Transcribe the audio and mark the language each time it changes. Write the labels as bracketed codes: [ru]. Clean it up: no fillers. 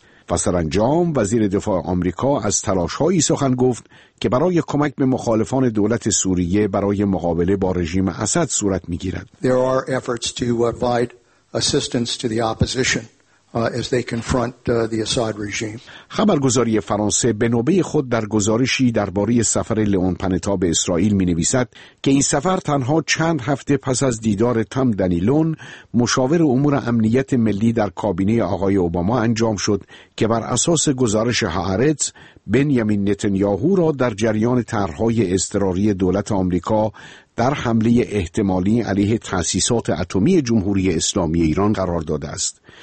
[fa] و سرانجام وزیر دفاع آمریکا از تلاش‌های سخن گفت که برای کمک به مخالفان دولت سوریه برای مقابله با رژیم اسد صورت می‌گیرد. [en] There are efforts to provide assistance to the opposition as they confront the Assad regime. [fa] خبرگزاری فرانسه به نوبه خود در گزارشی درباره سفر لئون پانتا به اسرائیل می‌نویسد که این سفر تنها چند هفته پس از دیدار تام دانیلون مشاور امور امنیت ملی در کابینه آقای اوباما انجام شد که بر اساس گزارش هارتس بنیامین نتانیاهو را در جریان طرح‌های اضطراری دولت آمریکا در حمله احتمالی علیه تأسیسات اتمی جمهوری اسلامی ایران قرار داده است.